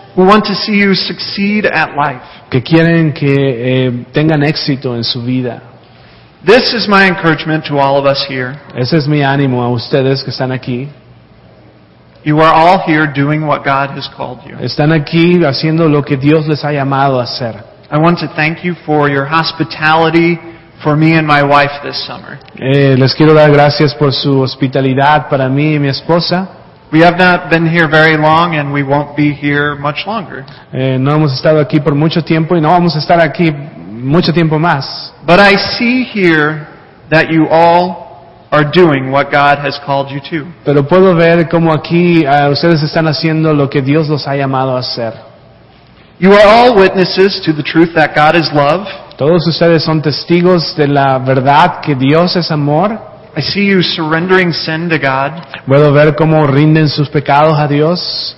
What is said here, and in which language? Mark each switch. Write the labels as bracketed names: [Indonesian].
[English] We want to see you succeed at life. [Spanish] Que quieren que tengan éxito en su vida. [English] This is my encouragement to all of us here. [Spanish] Ese es mi ánimo a ustedes que están aquí. [English] You are all here doing what God has called you. [Spanish] Están aquí haciendo lo que Dios les ha llamado a hacer. [English] I want to thank you for your hospitality for me and my wife this summer. [Spanish] Les quiero dar gracias por su hospitalidad para mí y mi esposa. [English] We have not been here very long and we won't be here much longer. [Spanish] No hemos estado aquí por mucho tiempo y no vamos a estar aquí mucho tiempo más. [English] But I see here that you all are doing what God has called you to. [Spanish] Pero puedo ver cómo aquí ustedes están haciendo lo que Dios los ha llamado a hacer. [English] You are all witnesses to the truth that God is love. [Spanish] Todos ustedes son testigos de la verdad que Dios es amor. [English] I see you surrendering sin to God. [Spanish] Puedo ver cómo rinden sus pecados a Dios.